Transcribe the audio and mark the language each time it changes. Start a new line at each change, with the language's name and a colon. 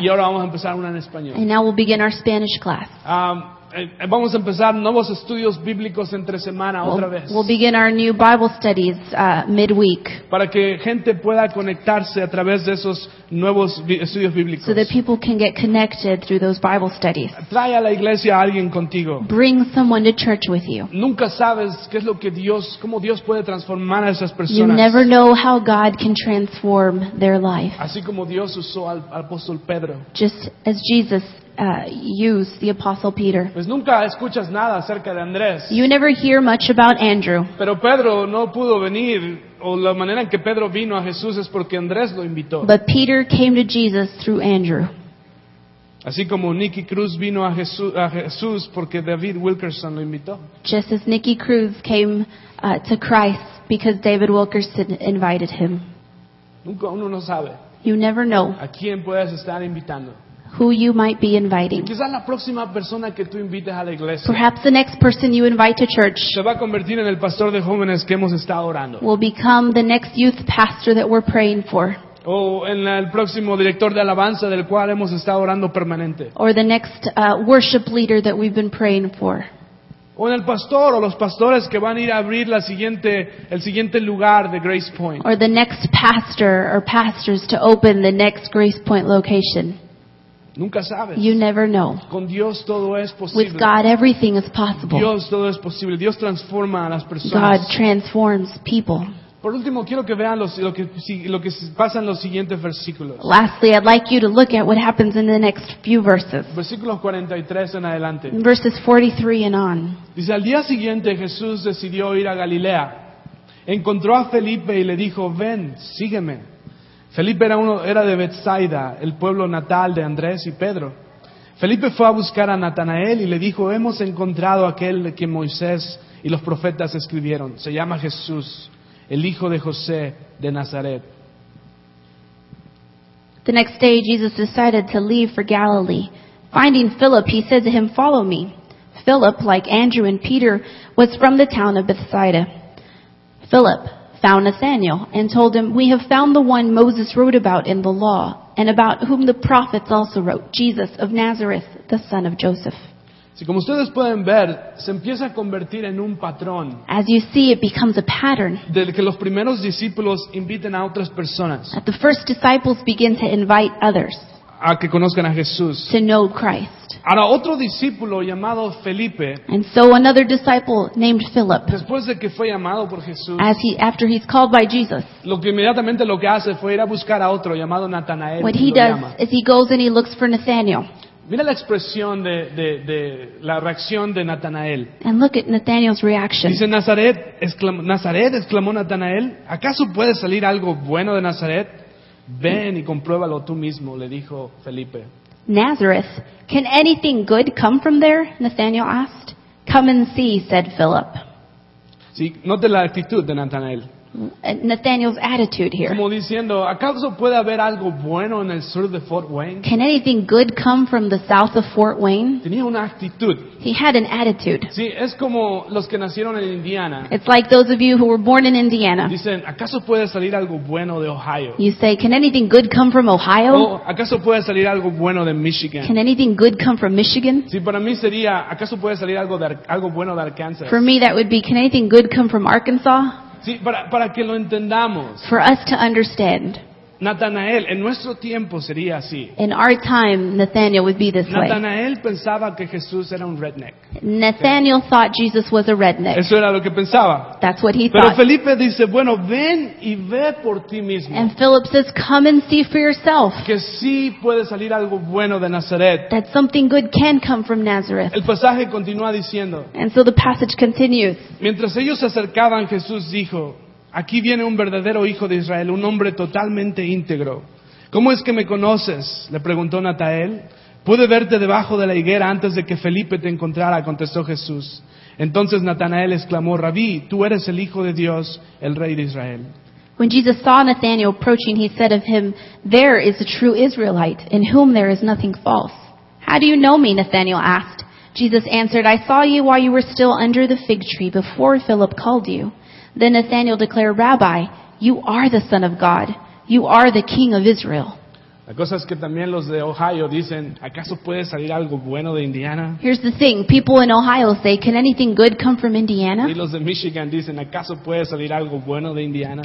Spanish: Y ahora vamos a empezar una en español.
English: And now we'll begin our Spanish class.
Spanish: Vamos a empezar nuevos estudios bíblicos entre semana otra vez.
English: We'll begin our new Bible studies midweek.
Spanish: Para que gente pueda conectarse a través de esos nuevos estudios bíblicos.
English: So that people can get connected through those Bible studies.
Spanish: Trae a la iglesia a alguien contigo.
English: Bring someone to church with you.
Spanish: Nunca sabes qué es lo que Dios, cómo Dios puede transformar a esas personas.
English: You never know how God can transform their life.
Spanish: Así como Dios usó al apóstol Pedro.
English: Just as Jesus used the apostle Peter.
Spanish: Pues nunca escuchas nada acerca de Andrés.
English: You never hear much about Andrew.
Spanish: Pero Pedro no pudo venir, o la manera en que Pedro vino a Jesús es porque Andrés lo invitó.
English: But Peter came to Jesus through Andrew.
Spanish: Así como Nicky Cruz vino a Jesús porque David Wilkerson lo invitó.
English: Just as Nicky Cruz came to Christ because David Wilkerson invited him.
Spanish: Nunca uno no sabe.
English: You never know.
Spanish: ¿A quién puedes estar invitando?
English: Who you might be inviting.
Spanish: Quizás la próxima persona que tú invites a la iglesia.
English: Perhaps the next person you invite to church.
Spanish: Se va a convertir en el pastor de jóvenes que hemos estado orando.
English: Will become the next youth pastor that we're praying for.
Spanish: O en el próximo director de alabanza del cual hemos estado orando permanente.
English: Or the next worship leader that we've been praying for.
Spanish: O en el pastor o los pastores que van a ir a abrir el siguiente lugar de Grace Point.
English: Or the next pastor or pastors to open the next Grace Point location.
Spanish: Nunca sabes.
English: You never know.
Spanish: Con Dios todo es posible.
English: With God, everything is possible.
Spanish: Dios todo es posible. Dios transforma a las personas.
English: God transforms people.
Spanish: Por último, quiero que vean lo que pasa en los siguientes versículos.
English: Lastly, I'd like you to look at what happens in the next few verses.
Spanish: Versículos 43 en adelante.
English: Verses 43 and on.
Spanish: Dice, al día siguiente Jesús decidió ir a Galilea. Encontró a Felipe y le dijo, ven, sígueme. Felipe era de Bethsaida, el pueblo natal de Andrés y Pedro. Felipe fue a buscar a Natanael y le dijo, hemos encontrado aquel de quien Moisés y los profetas escribieron. Se llama Jesús, el hijo de José de Nazaret.
English: The next day Jesus decided to leave for Galilee. Finding Philip, he said to him, follow me. Philip, like Andrew and Peter, was from the town of Bethsaida. Philip found Nathanael and told him, we have found the one Moses wrote about in the law and about whom the prophets also wrote, Jesus of Nazareth, the son of Joseph.
Spanish: Sí, como ustedes pueden ver, se empieza a convertir en un patrón.
English: As you see, it becomes a pattern.
Spanish: De que los primeros discípulos inviten a otras personas.
English: That the first disciples begin to invite others.
Spanish: A que conozcan a Jesús.
English: To know Christ.
Spanish: Ahora otro discípulo llamado Felipe.
English: And so another disciple named Philip.
Spanish: Después de que fue llamado por Jesús.
English: After he's called by Jesus.
Spanish: Lo que inmediatamente lo que hace fue ir a buscar a otro llamado Natanael.
English: What he does is he goes and he looks for Nathanael.
Spanish: Mira la expresión de la reacción de Natanael.
English: And look at Nathanael's reaction.
Spanish: Dice Nazaret, exclamó Natanael, ¿acaso puede salir algo bueno de Nazaret? Ven y compruébalo tú mismo, le dijo Felipe.
English: Nazareth, can anything good come from there? Nathanael asked. Come and see, said Philip.
Spanish: Sí, note la actitud de Natanael.
English: Nathanael's attitude here.
Spanish: Como diciendo, ¿acaso puede haber algo bueno en el sur de Fort Wayne?
English: Can anything good come from the south of Fort Wayne?
Spanish: Tenía una actitud.
English: He had an attitude.
Spanish: Sí, es como los que nacieron en Indiana.
English: It's like those of you who were born in Indiana.
Spanish: Dicen, ¿acaso puede salir algo bueno de Ohio?
English: You say, can anything good come from Ohio?
Spanish: O, ¿acaso puede salir algo bueno de Michigan?
English: Can anything good come from Michigan?
Spanish: Sí, para mí sería, ¿acaso puede salir algo bueno de Arkansas?
English: For me that would be, can anything good come from Arkansas?
Spanish: Sí, para que lo entendamos.
English: For us to understand.
Spanish: Natanael, en nuestro tiempo sería así.
English: In our time, Nathanael would be this Nathanael
Spanish: Natanael pensaba que Jesús era un redneck.
English: Nathanael okay. thought Jesus was a redneck.
Spanish: Eso era lo que pensaba.
English: That's what he
Spanish: Pero
English: thought.
Spanish: Pero Felipe dice, bueno, ven y ve por ti mismo.
English: And Philip says, come and see for yourself.
Spanish: Que sí puede salir algo bueno de Nazaret.
English: That something good can come from Nazareth.
Spanish: El pasaje continúa diciendo.
English: And so the passage continues.
Spanish: Mientras ellos se acercaban, Jesús dijo, aquí viene un verdadero hijo de Israel, un hombre totalmente íntegro. ¿Cómo es que me conoces? Le preguntó Natanael. Pude verte debajo de la higuera antes de que Felipe te encontrara, contestó Jesús. Entonces Natanael exclamó, Rabí, tú eres el hijo de Dios, el rey de Israel.
English: When Jesus saw Nathanael approaching, he said of him, there is a true Israelite, in whom there is nothing false. How do you know me? Nathanael asked. Jesus answered, I saw you while you were still under the fig tree, before Philip called you. Then Nathanael declared, Rabbi, you are the Son of God. You are the King of Israel.
Spanish: La cosa es que también los de Ohio dicen, ¿acaso puede salir algo bueno de Indiana?
English: Here's the thing. People in Ohio say, can anything good come from Indiana?
Spanish: Y los de Michigan dicen, ¿acaso puede salir algo bueno de Indiana?